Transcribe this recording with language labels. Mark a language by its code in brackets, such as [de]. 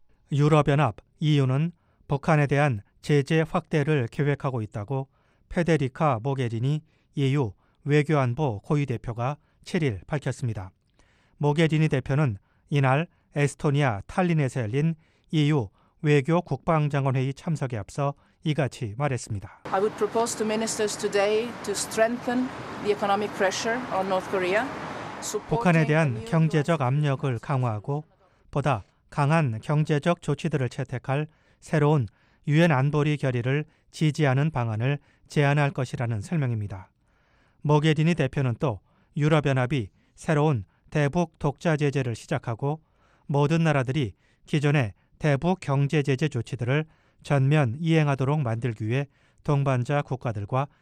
[ko] 유럽연합 EU는 북한에 대한 제재 확대를 계획하고 있다고 페데리카 모게리니 EU 외교안보 고위대표가 7일 밝혔습니다. 모게리니 대표는 이날 에스토니아 탈린에서 열린 EU 외교 국방장관회의 참석에 앞서 이같이 말했습니다. [en] I would propose to ministers today to strengthen the economic pressure on North Korea. [ko] 북한에 대한 경제적 압력을 강화하고 보다 강한 경제적 조치들을 채택할 새로운 유엔 안보리 결의를 지지하는 방안을 제안할 것이라는 설명입니다. 모게리니 대표는 또 유럽연합이 새로운 대북 독자 제재를 시작하고 모든 나라들이 기존의 대북 경제 제재 조치들을 전면 이행하도록 만들기 위해 동반자 국가들과